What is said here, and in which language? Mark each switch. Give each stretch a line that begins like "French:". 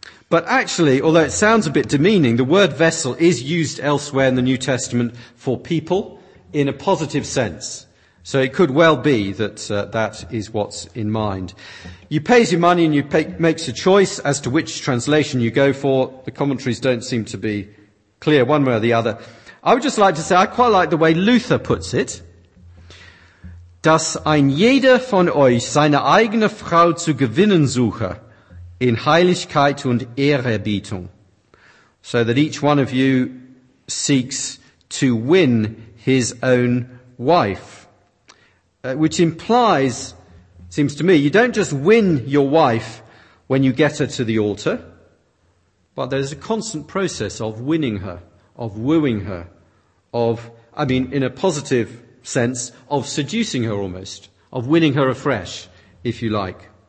English: But actually, although it sounds a bit demeaning, the word vessel is used elsewhere in the New Testament for people in a positive sense. So it could well be that that is what's in mind. You pay your money and you make a choice as to which translation you go for. The commentaries don't seem to be clear one way or the other. I would just like to say I quite like the way Luther puts it.
German: Dass ein jeder von euch seine eigene Frau zu gewinnen suche in Heiligkeit und Ehrerbietung.
English: So that each one of you seeks to win his own wife. Which implies, seems to me, you don't just win your wife when you get her to the altar, but there's a constant process of winning her, of wooing her, in a positive sense, of seducing her almost, of winning her afresh, if you like.